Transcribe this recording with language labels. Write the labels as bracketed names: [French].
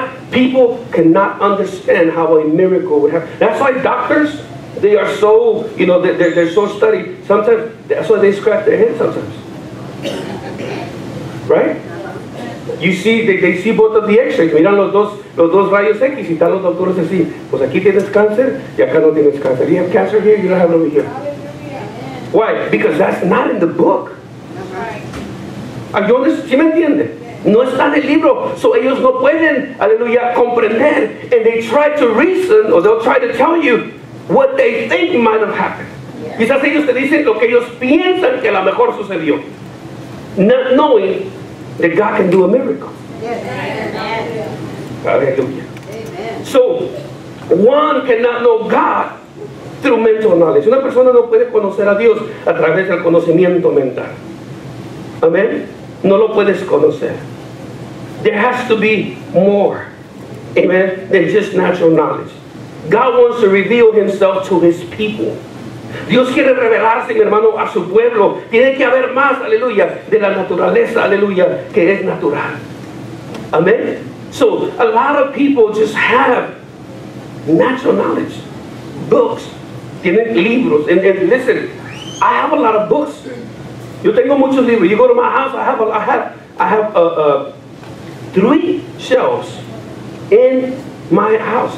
[English] People cannot understand how a miracle would happen. That's why doctors, they are so, you know, they're so studied. Sometimes, that's why they scratch their head sometimes. Right? You see, they see both of the x-rays. [Spanish] Miran los dos rayos X y están los doctores así. Pues aquí tienes cáncer y acá no tienes cáncer. [English] You have cancer here, you don't have it over here. Why? Because that's not in the book. Right. [Spanish] ¿Sí me entiende? No está en el libro. So ellos no pueden, aleluya, comprender. [English] And they try to reason, or they'll try to tell you what they think might have happened. Yeah. [Spanish] Quizás ellos te dicen lo que ellos piensan que a lo mejor sucedió. [English] not knowing that God can do a miracle. Yes. Amen. Hallelujah. Amen. So, one cannot know God through mental knowledge. [Spanish] Una persona no puede conocer a Dios a través del conocimiento mental. Amen. No lo puedes conocer. [English] There has to be more, amen, than just natural knowledge. God wants to reveal himself to his people. [Spanish] Dios quiere revelarse, mi hermano, a su pueblo. Tiene que haber más, aleluya, de la naturaleza, aleluya, que es natural. [English] Amen. So, a lot of people just have natural knowledge. Books. [Spanish] Tienen libros. [English] And listen, I have a lot of books. [Spanish] Yo tengo muchos libros. [English] You go to my house, I have three shelves in my house.